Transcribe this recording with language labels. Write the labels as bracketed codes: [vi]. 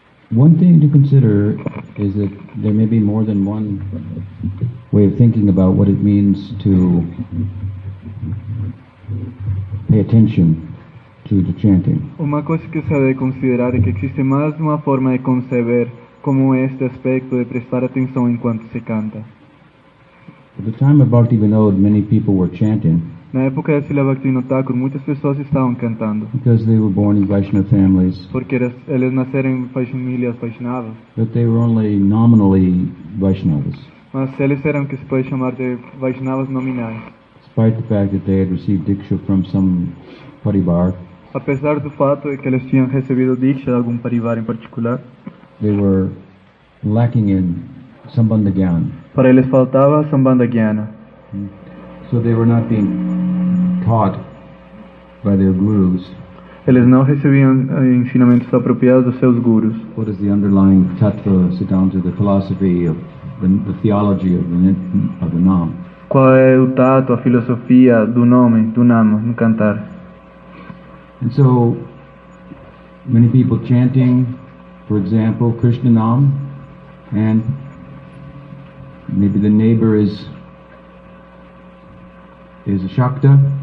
[en] One thing to consider is that there may be more than one way of thinking about what it means to pay attention to the chanting. [es] Una cosa que se debe considerar es que existe más de una forma de concebir cómo este aspecto de prestar atención en cuanto se canta. [en] At the time of Bhaktivinoda, many people were chanting. [pt] Na época de Srila Bhaktivinoda Thakur, [es] muchas [pt] pessoas estavam cantando. [en] Because they were born in Vaishnava families. [pt] Porque eles nasceram em famílias Vaishnavas. [en] But they were only nominally Vaishnavas. [pt] Mas eles eram que se pode chamar de Vaishnavas nominais. [en] Despite the fact that they had received diksha from some parivar. [pt] Apesar do fato de que eles tinham recebido diksha de algum parivar em particular. [en] They were lacking in sambandha gyan. [pt] Para eles faltava sambandha gyana. [en] So they were not being taught by their gurus. [pt] Eles não recebiam ensinamentos apropriados dos seus gurus. [en] What is the underlying tattva siddhanta, the philosophy of the theology of the nam? [pt] Qual é o tato, a filosofia do nome, do nama, no cantar? [en] And so many people chanting, for example, Krishna nam, and maybe the neighbor is a Shakta.